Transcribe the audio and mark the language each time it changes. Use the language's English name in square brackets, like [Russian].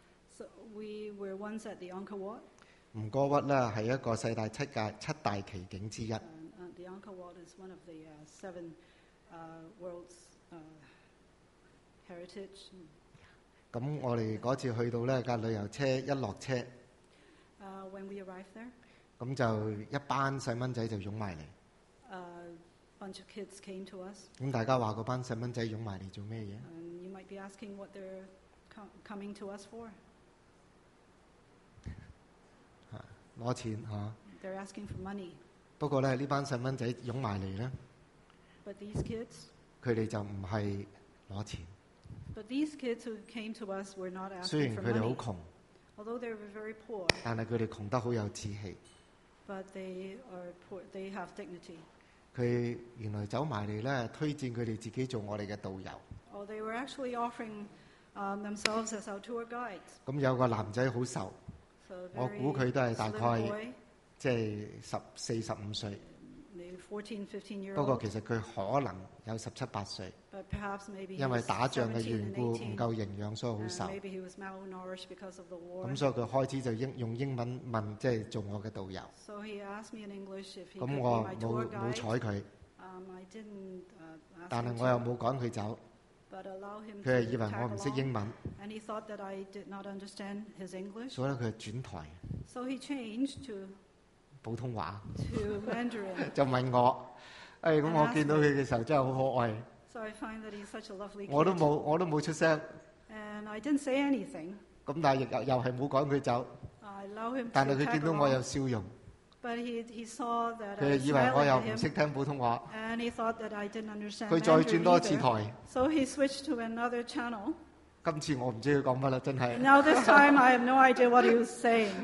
[English] So we were once at the Angkor Wat. [Cantonese] 吴哥窟咧系一个世界七大奇景之一。 [English] The Angkor Wat is one of the seven world's heritage. [Cantonese] 咁我哋嗰次去到咧架旅游车一落车。 [English] When we arrived there. [Cantonese] 咁就一班细蚊仔就涌埋嚟。 [English] Bunch of kids came to us. [Cantonese] 大家話嗰班細蚊仔湧埋嚟做咩嘢？ [English] You might be asking what they're coming to us for. [Cantonese] 攞錢嚇。 [English] They're asking for money. [Cantonese] 不過咧，呢班細蚊仔湧埋嚟咧。 [English] But these kids. [Cantonese] 佢哋就唔係攞錢。 [English] But these kids who came to us were not asking for money. [Cantonese] 雖然佢哋好窮。 [English] Although they're very poor. [Cantonese] 但係佢哋窮得好有志氣。 [English] But they are poor. They have dignity. [Cantonese] 佢原來走埋嚟咧，推薦佢哋自己做我哋嘅導遊。 [English] Oh, they were actually offering themselves as our tour guides. [Cantonese] 咁有個男仔好瘦，我估佢都係大概即係十四十五歲。 [English] 14-15 years old. [Cantonese] 不過其實佢可能有17-18 years. [English] But perhaps maybe. [Cantonese] 因為打仗嘅緣故，唔夠營養，所以好瘦。 [English] Maybe he was malnourished because of the war. [Cantonese] 咁所以佢開始就用英文問，即係做我嘅導遊。 [English] So he asked me in English if he could be my tour guide. [Cantonese] 咁我冇睬佢。 [English] I didn't. [Cantonese] 但係我又冇趕佢走。 [English] But allow him. [Cantonese] 佢係以為我唔識英文。 [English] And he thought that I did not understand his English. [Cantonese] 所以佢轉台。 [English] So he changed to. [Cantonese] 普通話 [English] Mandarin, [Cantonese] 就問我，哎，咁我見到佢嘅時候真係好可愛。 [English] So I find that he's such a lovely kid. [Cantonese] 我都冇出聲。 [English] And I didn't say anything. [Cantonese] 咁但係又係冇趕佢走。 [English] I allow him. [Cantonese] 但係佢見到我有笑容。 [English] But he saw that. [Cantonese] 佢以為我又唔識聽普通話。 [English] And he thought that I didn't understand. [Cantonese] 佢再轉多次台。 [English] So he switched to another channel. [Cantonese] 今次我唔知佢講乜啦，真係。 [English] Now this time I have no idea what he was saying.